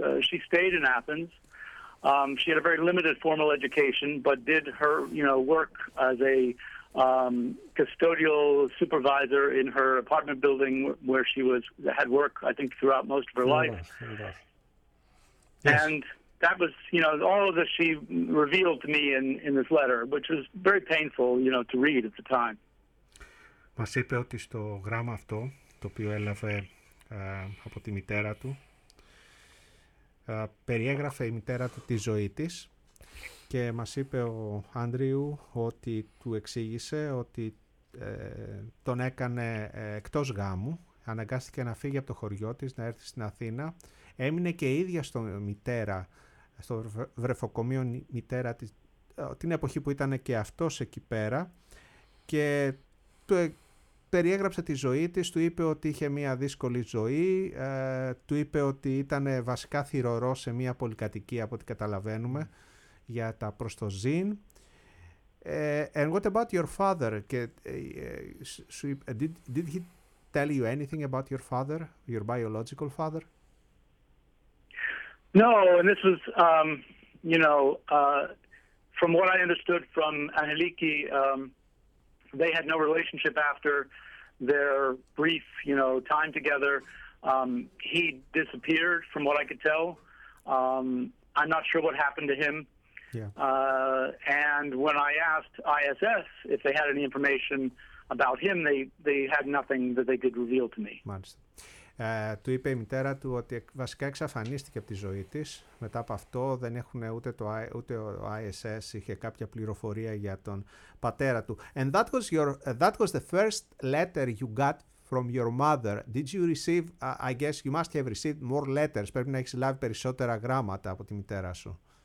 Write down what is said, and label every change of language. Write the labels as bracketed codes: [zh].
[en] She stayed in Athens. She had a very limited formal education, but did her work as a custodial supervisor in her apartment building where she was had work, I think, throughout most of her life. Yes. And that was all of this she revealed to me in this letter, which was very painful to read at the time. [el] Μας είπε ότι στο γράμμα αυτό, το οποίο έλαβε από τη μητέρα του, περιέγραφε η μητέρα του τη ζωή της, και μας είπε ο Άντριου ότι του εξήγησε ότι τον έκανε εκτός γάμου, αναγκάστηκε να φύγει από το χωριό της, να έρθει στην Αθήνα, έμεινε και η ίδια στο μητέρα στο βρεφοκομείο μητέρα της, την εποχή που ήταν και αυτός εκεί πέρα, και του περιέγραψε τη ζωή της, του είπε ότι είχε μια δύσκολη ζωή, του είπε ότι ήταν βασικά θυρωρός σε μια πολυκατοικία από ό,τι καταλαβαίνουμε για τα προστοζήν. [en] And what about your father? Did he tell you anything about your father, your biological father? No, and this was, you know, from what I understood from Angeliki, they had no relationship after their brief, you know, time together. He disappeared, from what I could tell. I'm not sure what happened to him. Yeah. And when I asked ISS if they had any information about him, they had nothing that they could reveal to me. [el] Μάλιστα. Του είπε η μητέρα του ότι βασικά εξαφανίστηκε από τη ζωή της. Μετά από αυτό δεν έχουν ούτε το ούτε ο ISS είχε κάποια πληροφορία για τον πατέρα του. [en] And that was your that was the first letter you got from your mother. Did you receive? I guess you must have received more letters. [el] Πρέπει να έχεις λάβει περισσότερα γράμματα από τη μητέρα σου.